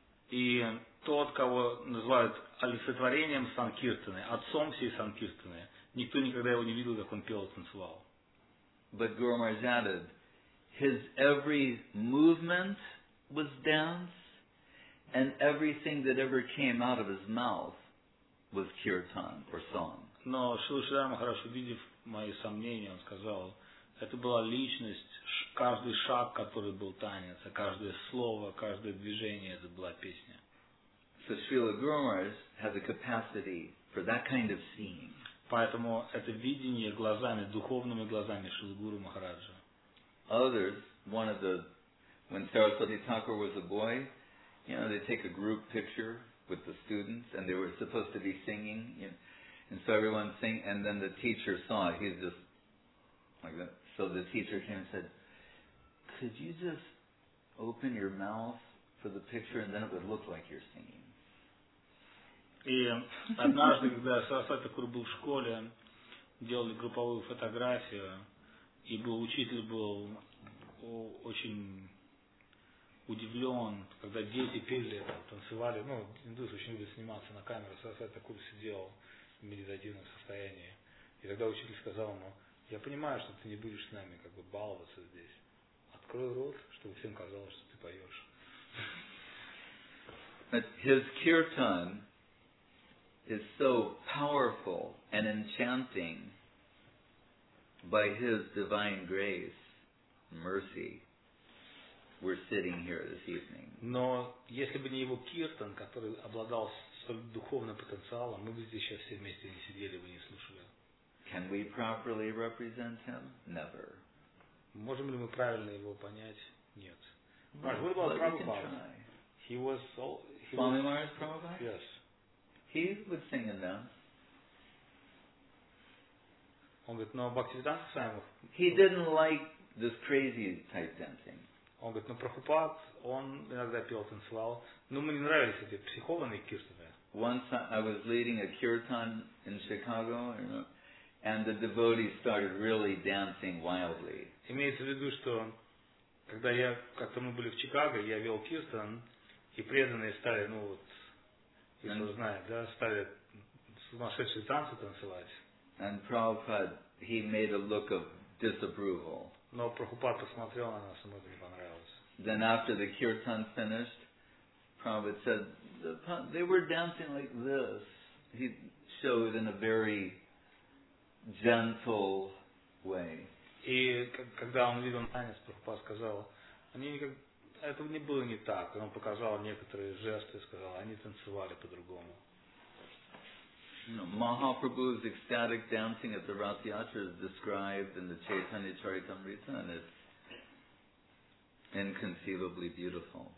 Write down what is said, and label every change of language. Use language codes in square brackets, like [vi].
[ru] И тот, кого называют олицетворением Санкиртаны, отцом всей Санкиртаны, никто никогда его не видел, как он пел и танцевал. [en] But Guru Maharaj added, his every movement was dance, and everything that ever came out of his mouth was kirtan or song. [ru] Но Шрила Шрила Махарадж, увидев мои сомнения, он сказал, это была личность. Каждый шаг, который был танец, а каждое слово, каждое движение, это была песня. [en] So Srila Guru Maharaj had the capacity for that kind of seeing. [ru] Поэтому это видение глазами, духовными глазами Шрила Гуру Махараджа. [en] Others, one of the, when Saraswati Thakur was a boy, you know, they take a group picture with the students, and they were supposed to be singing, you know, and so everyone sing, and then the teacher saw it, he's just like that. So the teacher came and said, could you just open your mouth for the picture and then it would look like you're singing? [ru] И однажды, когда Сарасвати Такур был в школе, делали групповую фотографию, и был учитель был очень удивлен, когда дети пели, танцевали. Ну, индус очень любит сниматься на камеру. Сарасвати Такур сидел в медитативном состоянии. И тогда учитель сказал ему, я понимаю, что ты не будешь с нами как бы баловаться здесь. Открой рот, чтобы всем казалось, что ты поешь. [en] But his kirtan is so powerful and enchanting by his divine grace, mercy, we're sitting here this evening. [ru] Но если бы не его киртан, который обладал столь духовным потенциалом, мы бы здесь сейчас все вместе не сидели бы, не слушали. [en] Can we properly represent him? Never. [ru] Можем ли мы правильно его понять? Нет. [en] Right, what about Prabhupada? He was so... Swami Maharaj Prabhupada? Yes. He would sing and dance. [ru] Он говорит, но Бхактисиддханта Сайма... [en] He didn't like this crazy type dancing. [ru] Он говорит, но Прабхупад, он иногда пел, танцевал. Но мы не нравились эти психованные киртаны. [en] Once I was leading a kirtan in Chicago, you know, and the devotees started really dancing wildly. [ru] Имеется в виду, что когда я, как-то мы были в Чикаго, я вел киртан, и преданные стали, ну вот, если вы знаете, да, стали сумасшедшие танцы танцевать. [en] And Prabhupada, he made a look of disapproval. [ru] Но Прабхупад посмотрел на нас, ему это не понравилось. [en] Then after the kirtan finished, Prabhupada said, they were dancing like this. He showed in a very gentle way. [ru] И когда он видел танец, Прабхупад сказал, они никак... это не было не так. Он показал некоторые жесты и сказал, они танцевали по-другому. [en] Mahaprabhu's ecstatic dancing at the Rath Yatra is described in the Chaitanya Charitamrita, and it's inconceivably beautiful.